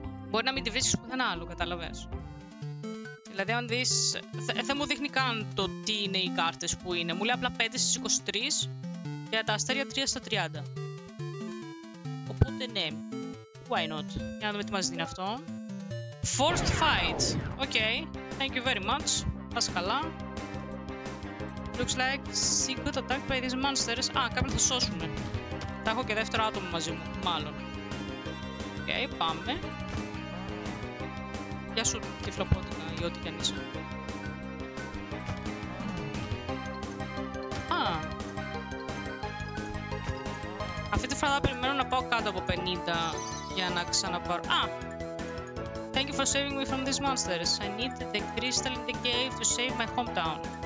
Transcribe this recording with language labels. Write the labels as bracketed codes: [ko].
[el] Μπορεί να μην τη βρίσκεις πουθενά άλλο, καταλαβες. Δηλαδή αν δεις, δεν μου δείχνει καν το τι είναι οι κάρτες που είναι. Μου λέει απλά 5 στις 23 και τα αστέρια 3 στα 30. Οπότε ναι, [en] why not. [el] Για να δούμε τι μας δίνει αυτό. [en] Forced fight. Okay, thank you very much. [el] Πας καλά. [en] Looks like secret attack by these monsters. [el] Α, κάποιον θα σώσουμε. Τα έχω και δεύτερο άτομο μαζί μου, μάλλον. Okay, πάμε. Γεια σου, τυφλοπότητα, ή ό,τι κι αν είσαι. Α. Αυτή τη φορά θα περιμένω να πάω κάτω από 50 για να ξαναπάρω. Α! [en] Thank you for saving me from these monsters. I need the crystal in the cave to save my hometown.